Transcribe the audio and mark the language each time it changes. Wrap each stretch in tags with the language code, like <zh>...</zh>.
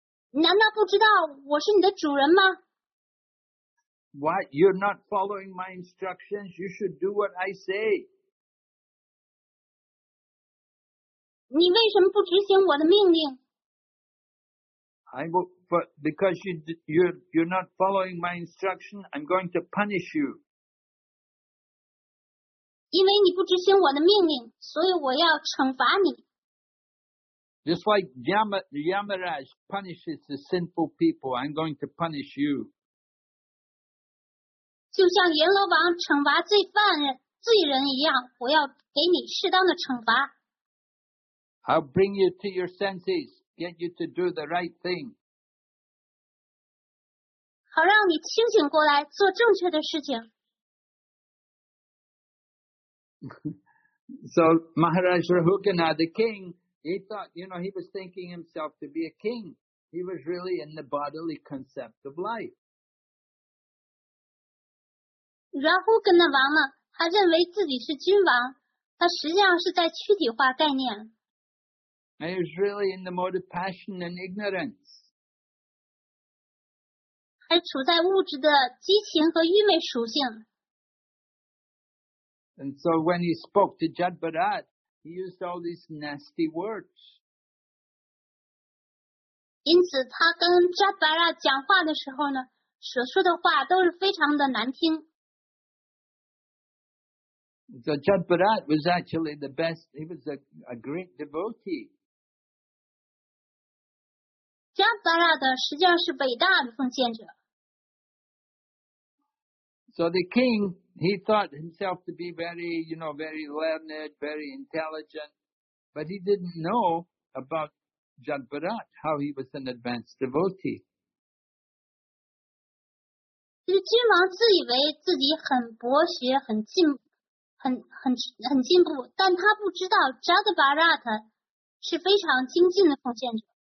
<zh>你难道不知道我是你的主人吗？</zh> <en>What? You're not following my instructions. You should do what I say.</en> <zh>你为什么不执行我的命令？</zh> <en>Because you're not following my instruction, I'm going to punish you.</en> <zh>因为你不执行我的命令，所以我要惩罚你。</zh> <en>Just like Yamaraj punishes the sinful people, I'm going to punish you.</en> <zh>就像阎罗王惩罚罪人一样，我要给你适当的惩罚。</zh> <en>I'll bring you to your senses, get you to do the right thing.</en> <zh>好让你清醒过来做正确的事情。</zh> <en>So, Maharaj Rahukana, the king, he thought, you know, he was thinking himself to be a king. He was really in the bodily concept of life.</en> <zh>Rahukana 王呢，他认为自己是君王，他实际上是在躯体化概念。</zh> <en>He was really in the mode of passion and ignorance.</en> <zh>还处在物质的激情和愚昧属性。</zh> <en>And so when he spoke to Jad Bharat, he used all these nasty words.</en> <zh>因此他跟 Jad Bharat 讲话的时候呢，所说的话都是非常的难听。</zh> <en>So Jad Bharat was actually the best, he was a great devotee.</en> <zh>加巴拉的实际上是伟大的奉献者。</zh> <en>So the king, he thought himself to be very, you know, very learned, very intelligent, but he didn't know about Jad Bharat, how he was an advanced devotee.</en> <zh>这个君王自以为自己很博学、很进步，但他不知道 Jad Bharat 是非常精进的奉献者。</zh>